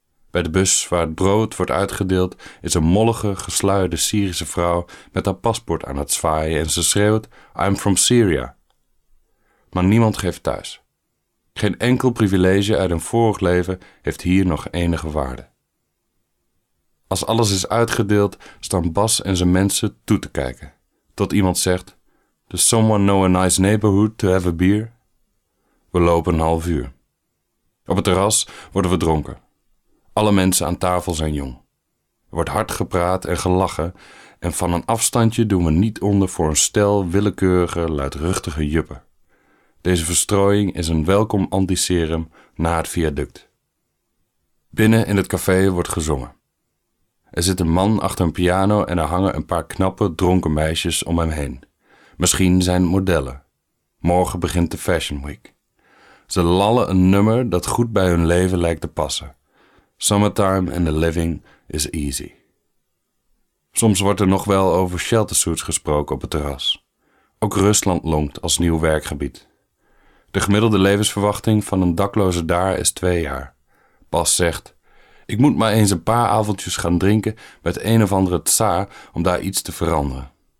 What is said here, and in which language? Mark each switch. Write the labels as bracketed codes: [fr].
[nl] Bij de bus waar het brood wordt uitgedeeld is een mollige, gesluierde Syrische vrouw met haar paspoort aan het zwaaien en ze schreeuwt, [en] I'm from Syria. [nl] Maar niemand geeft thuis. Geen enkel privilege uit een vorig leven heeft hier nog enige waarde. Als alles is uitgedeeld, staan Bas en zijn mensen toe te kijken. Tot iemand zegt, [en] does someone know a nice neighborhood to have a beer? [nl] We lopen een 30 minuten. Op het terras worden we dronken. Alle mensen aan tafel zijn jong. Er wordt hard gepraat en gelachen en van een afstandje doen we niet onder voor een stel willekeurige, luidruchtige juppen. Deze verstrooiing is een welkom antiserum na het viaduct. Binnen in het café wordt gezongen. Er zit een man achter een piano en er hangen een paar knappe, dronken meisjes om hem heen. Misschien zijn het modellen. Morgen begint de Fashion Week. Ze lallen een nummer dat goed bij hun leven lijkt te passen. [en] Summertime and the living is easy. [nl] Soms wordt er nog wel over shelter suits gesproken op het terras. Ook Rusland longt als nieuw werkgebied. De gemiddelde levensverwachting van een dakloze daar is 2 jaar. Bas zegt, ik moet maar eens een paar avondjes gaan drinken met een of andere tsaar om daar iets te veranderen.